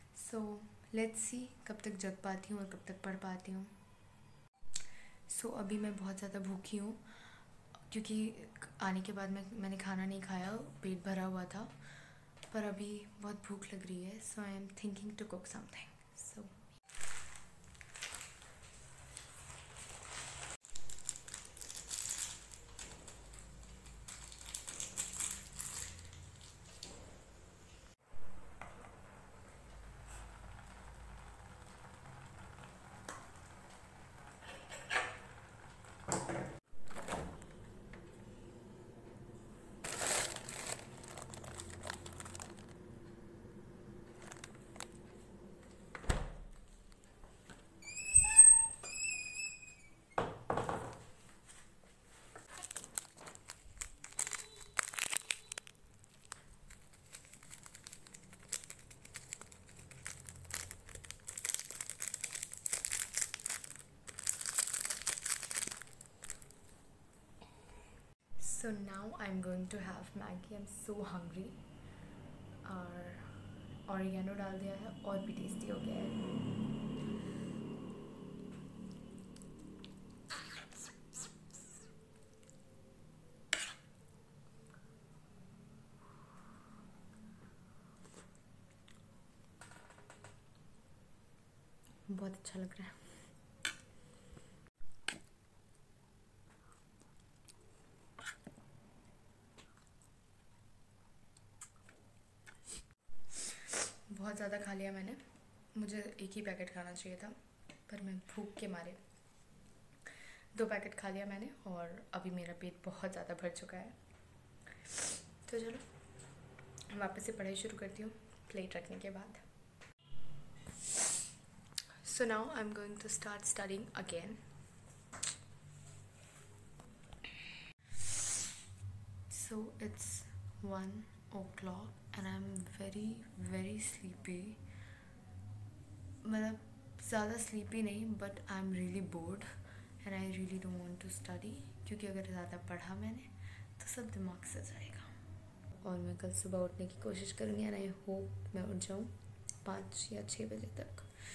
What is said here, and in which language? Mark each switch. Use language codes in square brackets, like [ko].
[en] so let's see [hi] कब तक जग पाती हूँ और कब तक पढ़ पाती हूँ. सो अभी मैं बहुत ज़्यादा भूखी हूँ क्योंकि आने के बाद मैंने खाना नहीं खाया, पेट भरा हुआ था, पर अभी बहुत भूख लग रही है. [en] So I am thinking to cook something. So So now I'm going to have Maggie. I'm so hungry. [hi] और ओरिगैनो डाल दिया है और भी टेस्टी हो गया है. बहुत अच्छा लग रहा है. बहुत ज़्यादा खा लिया मैंने, मुझे एक ही पैकेट खाना चाहिए था पर मैं भूख के मारे 2 पैकेट खा लिया मैंने और अभी मेरा पेट बहुत ज़्यादा भर चुका है. तो चलो वापस से पढ़ाई शुरू करती हूँ प्लेट रखने के बाद. [en] So now I am going to start studying again. So it's 1 o'clock and I'm very very sleepy. [hi] मतलब ज़्यादा sleepy नहीं [en] but I'm really bored and I really don't want to study [hi] क्योंकि अगर ज़्यादा पढ़ा मैंने तो सब दिमाग से जाएगा. और मैं कल सुबह उठने की कोशिश करूँगी [en] and I hope [hi] मैं उठ जाऊँ 5 या 6 बजे तक.